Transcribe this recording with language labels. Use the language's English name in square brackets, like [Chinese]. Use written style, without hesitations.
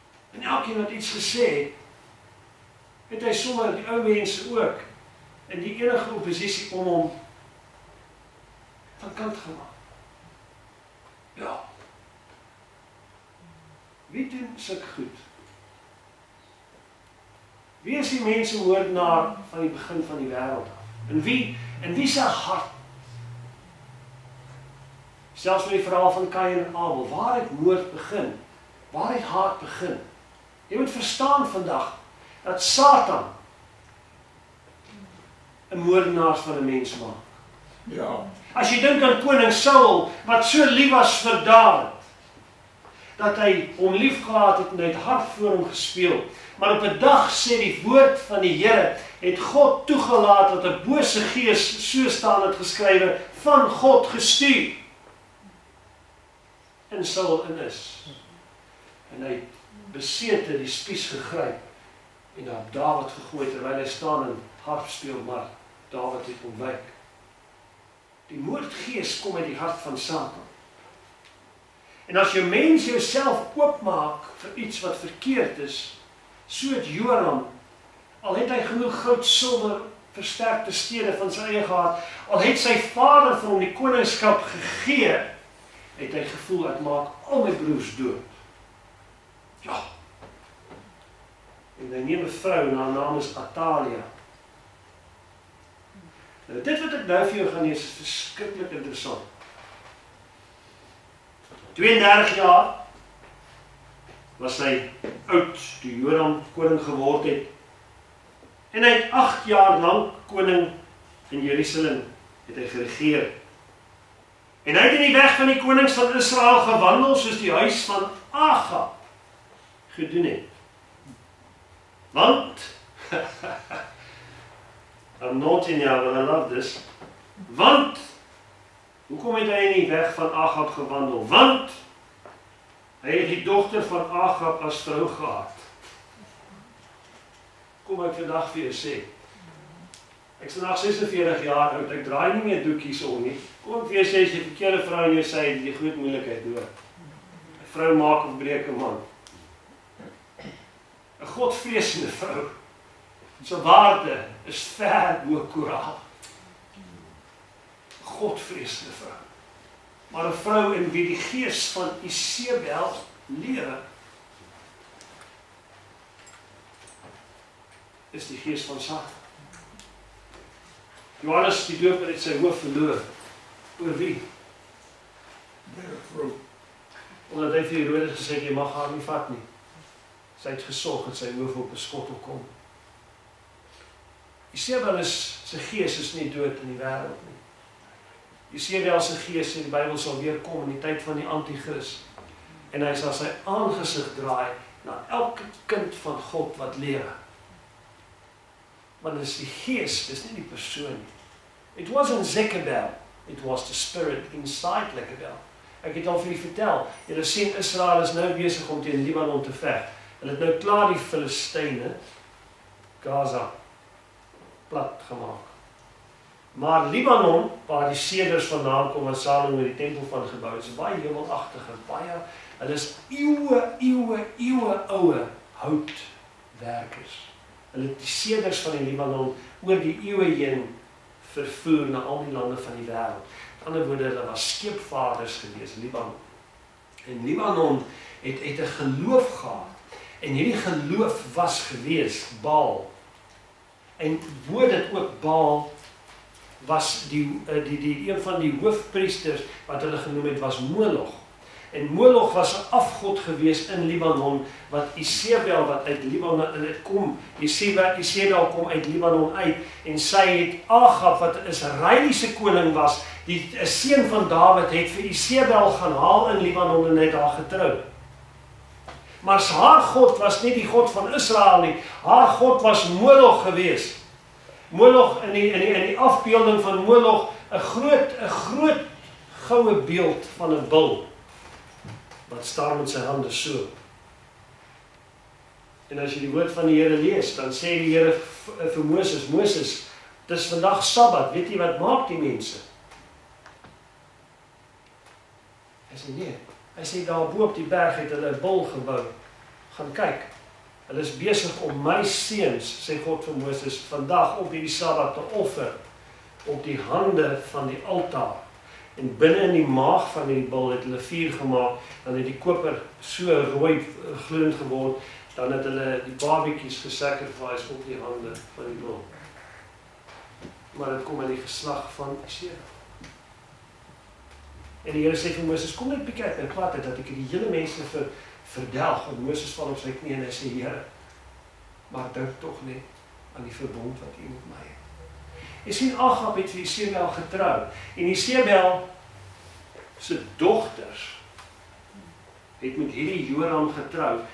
[Afrikaans] En elkeen wat iets gesê het, het hy sommer die ou mense ook in die enige oppositie om hom van kant gemaak. Ja. Wie doen sulke goed? Wie is die mense moordenaar van die begin van die wêreld? En wie se hart? Selfs met die verhaal van Kain en Abel, waar het moord begin? Waar het haat begin? Jy moet verstaan vandag dat Satan 'n moordenaar van 'n mens maak. Ja. As jy dink aan koning Saul, wat so lief was vir David, dat hy hom lief gehad het en hy het hard voor hom gespeel. Maar op 'n dag sê die woord van die Here, het God toegelaat dat 'n bose gees, so staan het geskrywe, van God gestuur. En Saul in is. En hy besete die spies gegryp en na David gegooi terwyl hy staan en harp speel, maar David het ontwyk. Die moordgees kom uit die hart van Satan. En as jou mens jouself oopmaak vir iets wat verkeerd is, so het Joram, al het hy genoeg goud, silwer versterkte stede van sy eie gehad. Al het sy vader vir hom die koningskap gegee, het hy gevoel, ek maak al my broers dood. Ja. En hy neem 'n vrou, haar naam is Atalia. Nou, dit wat ek nou vir jou gaan lees, is verskriklik interessant. 32 jaar was hy oud, toe Joram koning geword het. En hy het 8 jaar lang koning in Jerusalem het hy geregeer. En hy het in die weg van die konings van Israel gewandel soos die huis van Agab gedoen het. [English] Want, I'm not in here, but I love this. [Afrikaans] Want, hoekom het hy in die weg van Agab gewandel? Want, hy het die dogter van Agab as vrou gehad. Kom ek vandag vir jou sê. Ek is vandag 46 jaar oud, ek draai nie meer doekies om nie. Kom ek vir jou sê, as die verkeerde vrou in jou sê, die groot moeilikheid doen. Een vrou maak of breek een man. Een godvreesende vrou. Sy waarde is ver bo koraal. Godvreesende vrou. Maar een vrou in wie die gees van Isebel lewe, is die gees van Satan. Johannes die Doper het sy hoof verloor. Oor wie? Die vrou. Omdat hy vir die rode gesê, jy mag haar nie vat nie. Sy het gesorg dat sy hoof op een skottel kom. Isebel is, sy gees is nie dood in die wereld nie. Isebel sy gees in die Bybel sal weer kom in die tyd van die Antichrist. En hy sal sy aangesig draai na elke kind van God wat lewe. Maar dit is die gees, dit is nie die persoon. [English] It wasn't Zekabel, it was the spirit inside Zekabel. [Afrikaans] Ek het al vir jy vertel, jylle sien Israel is nou bezig om tegen Libanon te veg. En het nou klaar die Filisteine, Gaza, plat gemaak. Maar Libanon, waar die seders vandaan kom en Salomo met die tempel van gebouw, is baie hemelachtig en baie, het is eeuwe ouwe houtwerkers. Hulle het die seders van die Libanon oor die eeuwe heen vervoer na al die lande van die wereld. In ander woorde, hulle was skeepvaarders gewees, Libanon. En Libanon het een geloof gehad. En hierdie geloof was gewees, Baal. En woord het ook Baal, was die een van die hoofpriesters wat hulle genoem het, was Moloch. En Moloch was een afgod gewees in Libanon, wat Isebel, wat uit Libanon in het kom, Isebel kom uit Libanon uit, en sy het Agab, wat een Israëlische koning was, die een seun van David het vir Isebel gaan haal in Libanon en het haar getrou. Maar haar god was nie die god van Israel nie, haar god was Moloch gewees. Moloch, in die afbeelding van Moloch, een groot gouden beeld van een bil, wat staar met sy hande so. En as jy die woord van die Heere lees, dan sê die Heere vir Moses, Moses, het is vandag Sabbat, weet jy wat maak die mense? Hy sê nee, hy sê daar boop op die berg het hulle bol gebouw, gaan kyk, hulle is bezig om my seuns, sê God vir Moses, vandag op die Sabbat te offer, op die hande van die altaar. En binnen in die maag van die bil het hulle vuur gemaakt, dan het die koper so rooi gloeiend geword, dan het hulle die babiekies gesacrifice op die hande van die bil. Maar het kom in die geslag van Isebel. En die Heere sê vir Moses, kom net bekijk in platte, dat ek die hele mense verdelg, en Moses val op sy knie en hy sê, Heere, maar dink toch net aan die verbond wat jy met my het. En sien, Agab het vir Isebel getrou. En Isebel sy dochters het met hierdie Joram getrou.